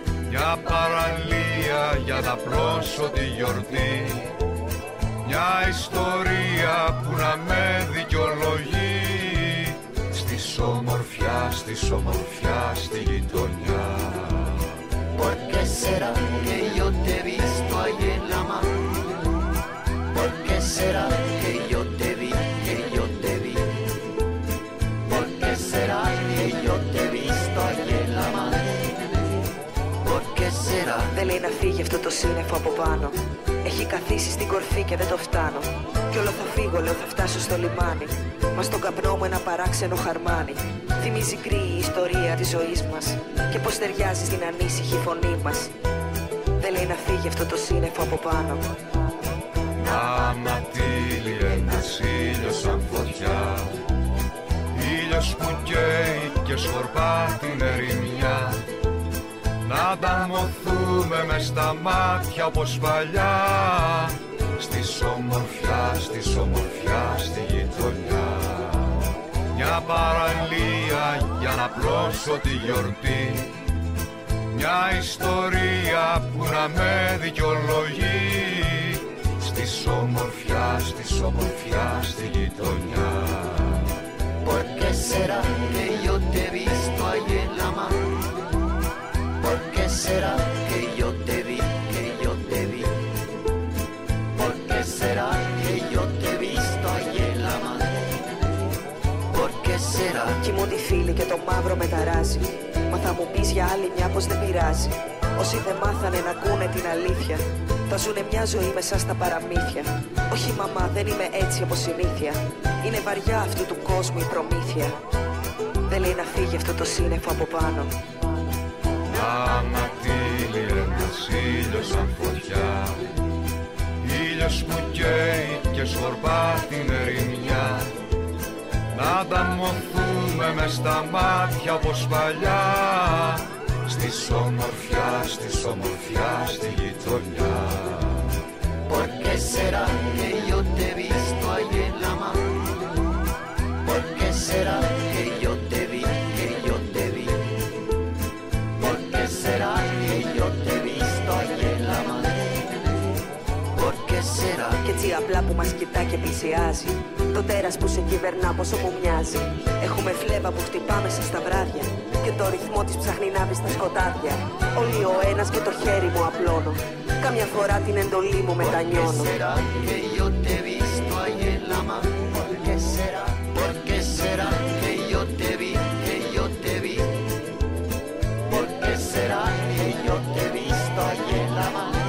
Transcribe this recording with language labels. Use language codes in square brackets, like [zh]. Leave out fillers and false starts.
[el] Μια παραλία για να πλώσω τη γιορτή. Μια ιστορία που να με δικαιολογεί. Στη σομορφιά, στη σομορφιά, στη γειτονιά. [es] Por qué será que yo te he visto ahí en la mar? Por qué será que yo te vi, que yo te vi? Por qué será que yo te he visto ahí en la mar? Por qué será? [el] Δεν λέει να φύγει αυτό το σύννεφο από πάνω. Έχει καθίσει στην κορφή και δεν το φτάνω. Κι όλο θα φύγω, λέω, θα φτάσω στο λιμάνι. Μα στον καπνό μου ένα παράξενο χαρμάνι. Θυμίζει κρύη η ιστορία της ζωής μας. Και πως ταιριάζει στην ανήσυχη φωνή μας. Δεν λέει να φύγει αυτό το σύννεφο από πάνω. Να ανατύλει ένας ήλιος σαν φωτιά. Ήλιος που καίει και σκορπά την ερημιά. Να ανταμωθούμε μες στα μάτια όπως παλιά. στις ομορφιά, στις ομορφιά, στη γειτονιά. Μια παραλία για να πλώσω τη γιορτή, μια ιστορία που να με δικαιολογεί. Στις ομορφιά, στις ομορφιά, στη γειτονιά. [es] Porque será que yo te he visto ahí en la mar? Porque será que yo te vi, que yo te vi? Porque será que yo te he visto ahí en la mar? Porque será. [el] Κοιμούν τη φίλη και το μαύρο με ταράζει. Μα θα μου πεις για άλλη μια πως δεν πειράζει. Όσοι δεν μάθανε να ακούνε την αλήθεια, θα ζουνε μια ζωή μέσα στα παραμύθια. Όχι μαμά, δεν είμαι έτσι από συνήθεια. Είναι βαριά αυτού του κόσμου η προμήθεια. Δεν λέει να φύγει αυτό το σύννεφο από πάνω. Άμα τύλι ένας ήλιος σαν φωτιά, ήλιος που καίει και σκορπά την ερημιά. Να ανταμωθούμε μες στα μάτια όπως παλιά. Στις ομορφιά, στις ομορφιά, στη γειτονιά. [es] Porque será que yo te he visto ahí en la mar? Porque será que yo te vi, que yo te vi? Porque será que yo te he visto ahí en la mar? Porque será. [el] Κι έτσι απλά που μας κοιτά και πλησιάζει, το τέρας που σε κυβερνά πόσο μου μοιάζει. Έχουμε φλέβα που χτυπάμε σε στα βράδια και το ρυθμό της ψάχνει να μπει στα σκοτάδια. Όλοι ο ένας και το χέρι μου απλώνω, καμιά φορά την εντολή μου μετανιώνω. [es] Porque será que yo te he visto ahí en la mar? Porque será. Porque será que yo te vi, que yo te vi? Porque será que yo te he visto ahí en la mar?